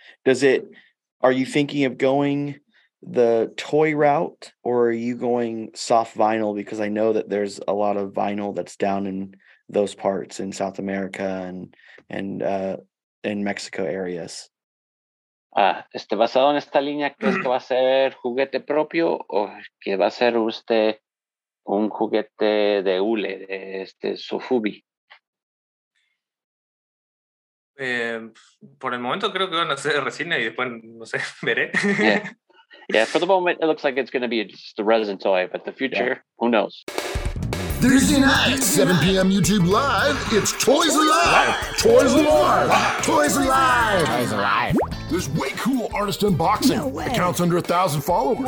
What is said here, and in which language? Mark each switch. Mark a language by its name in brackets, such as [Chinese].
[English] Does it, are you thinking of going the toy route or are you going soft vinyl? Because I know that there's a lot of vinyl that's down in those parts in South America and in Mexico areas. [Spanish] Este basado en esta línea, ¿crees que va a ser juguete propio o que va a ser usted un juguete de hule, de este Sofubi? Por el momento creo que van a ser resina y después no sé, veré. [English] Yeah, for the moment it looks like it's going to be just a resin toy, but the future, yeah. Who knows? Thursday night, 7 p.m. YouTube Live, it's Toys Alive! Toys Alive! Toys Alive! Toys Alive! There's way cool artist unboxing. No way. Accounts under 1,000 followers.